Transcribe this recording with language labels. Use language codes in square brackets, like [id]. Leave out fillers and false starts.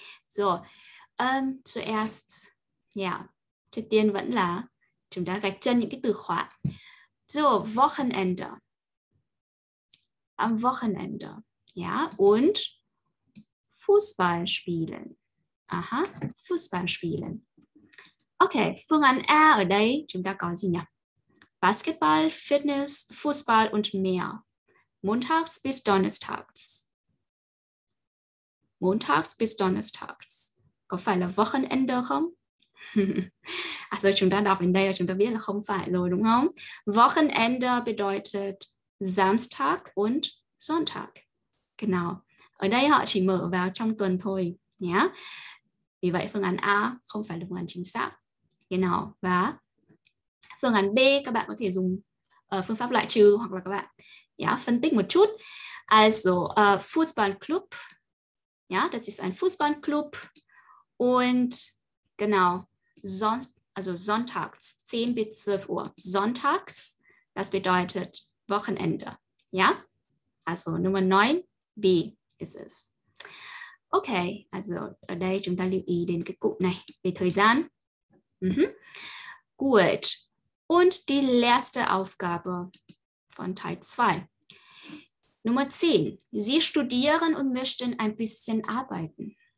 [vi] Rồi, [de] zuerst, [vi] yeah, trước tiên vẫn là chúng ta gạch chân những cái từ khóa. [de] Rồi, Wochenende. Am Wochenende. Ja, und Fußball spielen. Aha, Fußball spielen. [vi] Okay, phương án A ở đây chúng ta có gì nhỉ? [de] Basketball, Fitness, Fußball und mehr. Montags bis Donnerstags. Montags bis Donnerstags. [vi] Có phải là Wochenende không? Also chúng ta đọc in đây là chúng ta biết là không phải rồi, đúng không? [de] Wochenende bedeutet Samstag und Sonntag. Genau. [vi] Ở đây họ chỉ mở vào trong tuần thôi nhé. Yeah. Vì vậy phương án A không phải là phương án chính xác. [de] Genau. [vi] Và phương án B các bạn có thể dùng phương pháp loại trừ hoặc là các bạn yeah, phân tích một chút. [de] Also, Fußballclub. Yeah, das ist ein Fußballclub. Und genau, also sonntags, 10 bis 12 Uhr. Sonntags, das bedeutet Wochenende. Ja? Yeah? Also Nummer 9, B ist es. [vi] Okay, also ở đây chúng ta lưu ý đến cái cụm này về thời gian. [de] Mm-hmm. Gut. Und die letzte Aufgabe von Teil 2. Nummer 10. Sie studieren und möchten ein bisschen arbeiten.